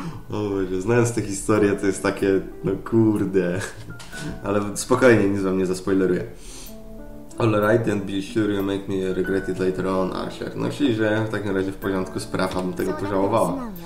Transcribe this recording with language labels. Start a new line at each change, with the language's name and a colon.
Polish: O Boże, znając tę historię, to jest takie, no kurde. Ale spokojnie, nic wam nie zaspoileruję.
English: All right, then be sure you make me regret it later on, Archer.
Polish: No czyli, że w takim razie w porządku spraw, abym tego pożałowała.